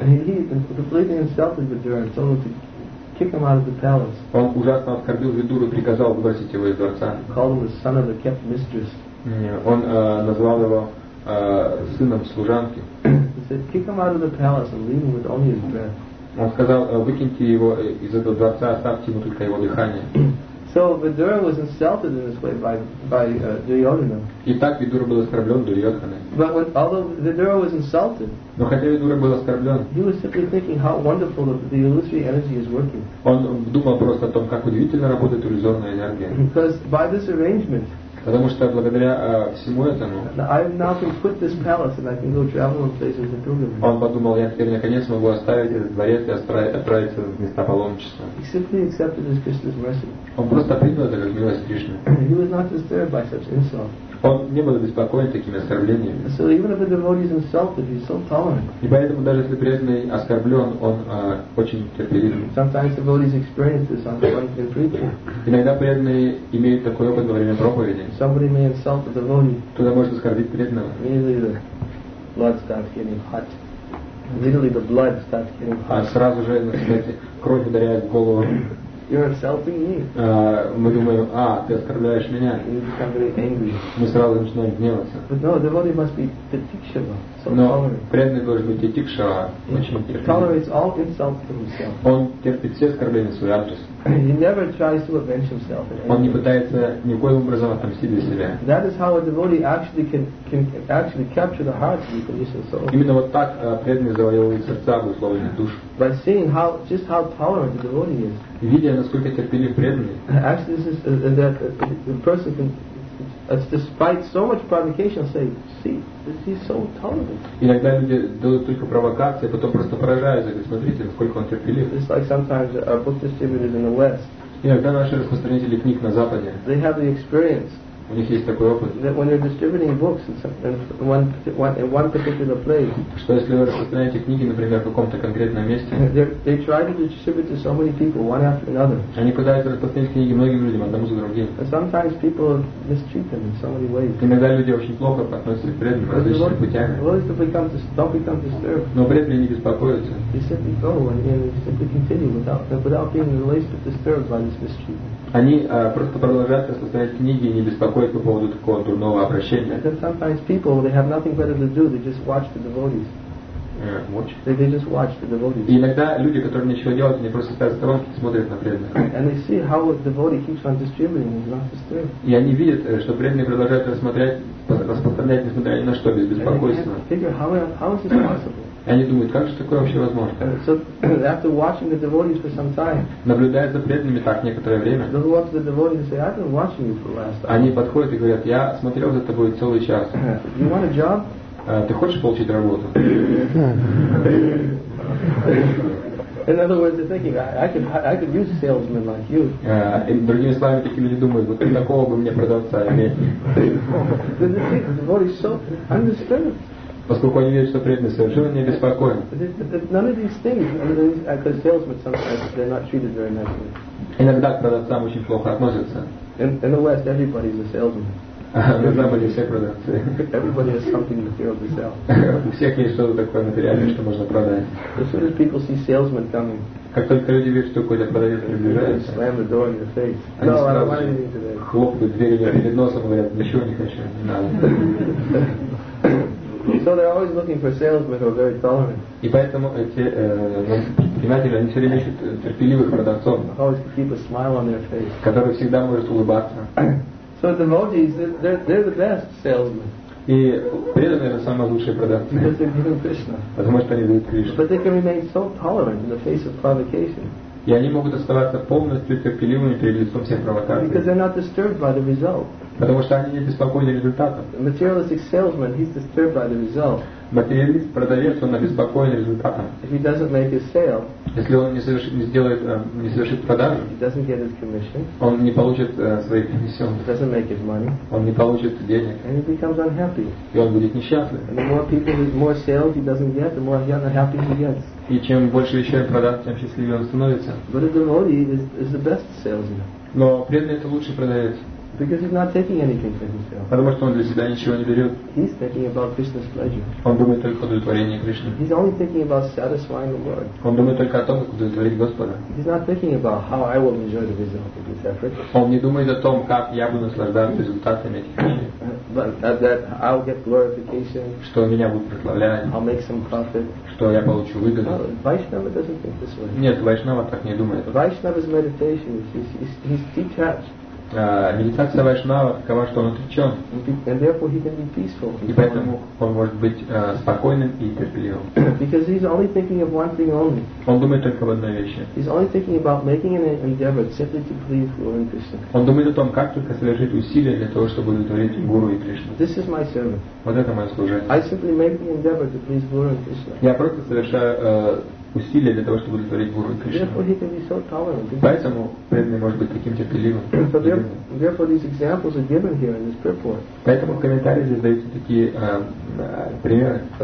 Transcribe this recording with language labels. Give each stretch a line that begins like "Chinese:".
English: He completely insulted Vidura and told him to kick him out of the palace.
Russian: Он ужасно оскорбил Видуру и приказал выбросить его из дворца.
English: Called him the son of the kept mistress.
Russian: Он назвал его сыном служанки.
English: He said, kick him out of the palace and leave him with only his breath.
Russian: Он сказал, выкиньте его из этого дворца, оставьте ему только его дыхание.
English: So Vidura was insulted in this way by Duryodhana.
Russian: И так Видура был оскорблен Дурьодханой.
English: But although Vidura was insulted,
Russian: но хотя Видура был оскорблен,
English: he was simply thinking how wonderful the illusory energy is working.
Russian: Он думал просто о том, как удивительно работает иллюзорная энергия.
English: Because by this arrangement,
Russian: потому что благодаря всему этому,
English: I have now can quit this palace and I can go travel in places in pilgrimage.
Russian: Он подумал, я теперь наконец могу оставить этот дворец и отправиться в места паломничества.
English: He simply accepted his Krishna's mercy.
Russian: Он просто принял это как милость Кришны.
English: He was not disturbed by such insult.
Russian: Он не был обеспокоен такими оскорблениями.
English: So even if a devotee is insulted, he's so tolerant.
Russian: И поэтому даже если преданный оскорблен, он очень терпелив.
English: Sometimes devotees experience this on the way to preaching.
Russian: Иногда преданные имеют такой опыт во время проповеди.
English: Somebody may insult the devotee.
Russian: Кто-то может оскорбить преданного.
English: Immediately the blood starts getting hot. Immediately the blood starts getting hot.
Russian: А сразу же, кстати, кровь ударяет в голову.
English: You're insulting me.
Russian: Мы думаем, ты оскорбляешь меня.
English: You become very angry.
Russian: Мы сразу начинаем гневаться.
English: But no, devotee must be tetikshava, so
Russian: но
English: tolerant.
Russian: Преданный должен быть тетикшава, очень терпелив.
English: Tolerates all insults to himself.
Russian: Он терпит все оскорбления в свой адрес.
English: He never tries to avenge himself.
Russian: Он не пытается ни в коем образом отомстить для себя.
English: That is how a devotee actually can actually capture the heart of the conditioned soul.
Russian: Именно вот так преданный завоевывает сердца обусловленных душ.
English: By seeing how just how tolerant the devotee is.
Russian: Видя, насколько терпелив преданный.
English: Actually, this is that the person can, despite so much provocation, say, see, this is so tolerant.
Russian: Иногда люди дают только провокации, потом просто поражаются, говорят, смотрите, насколько он терпелив.
English: It's like sometimes a book distributed in the West.
Russian: Иногда наши распространители книг на Западе.
English: They have the experience.
Russian: У них есть такой опыт.
English: That when they're distributing books in one particular place.
Russian: Что если вы распространяете книги, например, в каком-то конкретном месте?
English: They try to distribute to so many people one after another.
Russian: Они пытаются распространять книги многим людям, одному за другим.
English: And sometimes people mistreat them in so many ways.
Russian: Иногда люди очень плохо относятся к преданным различными путями.
English: Well, don't become disturbed.
Russian: Но преданные не беспокоятся.
English: They simply go and simply continue without being in the least bit disturbed by this mistreatment.
Russian: Они просто продолжают распространять книги и не беспокоят по поводу такого дурного обращения.
English: And then sometimes people, they have nothing better to do, they just watch the devotees. They just watch the devotees.
Russian: И иногда люди, которые ничего делают, они просто стоят в сторонке и смотрят на преданных.
English: And they see how a devotee keeps on distributing and not disturbed.
Russian: И они видят, что преданные продолжают распространять, несмотря ни на что, без беспокойства.
English: And they can't figure how is this possible?
Russian: И они думают, как же такое вообще возможно?
English: So, after watching the devotees for some time,
Russian: наблюдая за преданными так некоторое время,
English: they'll walk to the devotees and say, I've been watching you for the last time.
Russian: Они подходят и говорят, я смотрел за тобой целый час.
English: You want a job?
Russian: Ты хочешь получить работу?
English: In other words, they're thinking, I could use a salesman like you.
Russian: Другими словами, такие люди думают, вот такого бы мне продавца иметь.
English: The devotees so undisturbed.
Russian: Поскольку они верят, что преданный совершенно не беспокоен.
English: None of these things, because salesmen sometimes they're not treated very nicely.
Russian: Иногда к продавцам очень плохо относятся.
English: In the West, everybody's a salesman.
Russian: На Западе все продавцы.
English: Everybody has something material to sell.
Russian: У всех есть что-то такое материальное, что можно продать.
English: As soon as people see salesmen coming,
Russian: как только люди видят, что какой-то продавец приближается,
English: slam the door in your face. No, I don't want anything today.
Russian: Хлопают двери перед носом, говорят, ничего не хочу, не надо.
English: So they're always looking for salesmen who are very tolerant.
Russian: И поэтому эти предприниматели, они все время ищут терпеливых продавцов.
English: Always keep a smile on their face.
Russian: Которые всегда могут улыбаться.
English: So the devotees, they're the best salesmen.
Russian: И преданные это самые лучшие продавцы.
English: Because they're giving Krishna.
Russian: Потому что они дают Кришну.
English: But they can remain so tolerant in the face of provocation.
Russian: И они могут оставаться полностью терпеливыми перед лицом всех провокаций.
English: Because they're not disturbed by the result.
Russian: Потому что они не обеспокоены результатом.
English: Materialistic salesman, he's disturbed by the result.
Russian: Материалист, продавец, он обеспокоен результатом.
English: If he doesn't make his sale,
Russian: если он не совершит продажу,
English: he doesn't get his commission,
Russian: он не получит свои комиссионные.
English: He doesn't make his money,
Russian: он не получит денег.
English: And he becomes unhappy.
Russian: И он будет несчастлив.
English: And the more people, the more sales he doesn't get, the more unhappy he gets.
Russian: И чем больше вещей он продаст, тем счастливее он становится.
English: But a devotee is the best salesman.
Russian: Но преданный — это лучший продавец.
English: Because he's not taking anything for himself.
Russian: Потому что он для себя ничего не берет.
English: He's thinking about Krishna's pleasure.
Russian: Он думает только о удовлетворении Кришны.
English: He's only thinking about satisfying the Lord.
Russian: Он думает только о том, как удовлетворить Господа.
English: He's not thinking about how I will enjoy the result of this effort.
Russian: Он не думает о том, как я буду наслаждаться результатами этих усилий.
English: But that I'll get glorification.
Russian: Что меня будут прославлять.
English: I'll make some profit.
Russian: Что я получу выгоду.
English: No, Vaishnava doesn't think this way.
Russian: Нет, Вайшнава так не думает.
English: Vaishnava's meditation is he's detached.
Russian: Медитация вайшнава такова, что он отречен.
English: And therefore he can be peaceful.
Russian: И поэтому он может быть спокойным и терпеливым.
English: Because he's only thinking of one thing only.
Russian: Он думает только об одной вещи.
English: He's only thinking about making an endeavor simply to please Lord and Krishna.
Russian: Он думает о том, как только совершить усилия для того, чтобы удовлетворить гуру и Кришну.
English: This is my servant.
Russian: Вот это мое служение.
English: I simply make the endeavor to please Lord and Krishna.
Russian: Я просто совершаю усилия для того, чтобы удовлетворить гуру и Кришну.
English: So
Russian: поэтому преданный может быть таким терпеливым. Поэтому в комментариях здесь даются такие примеры.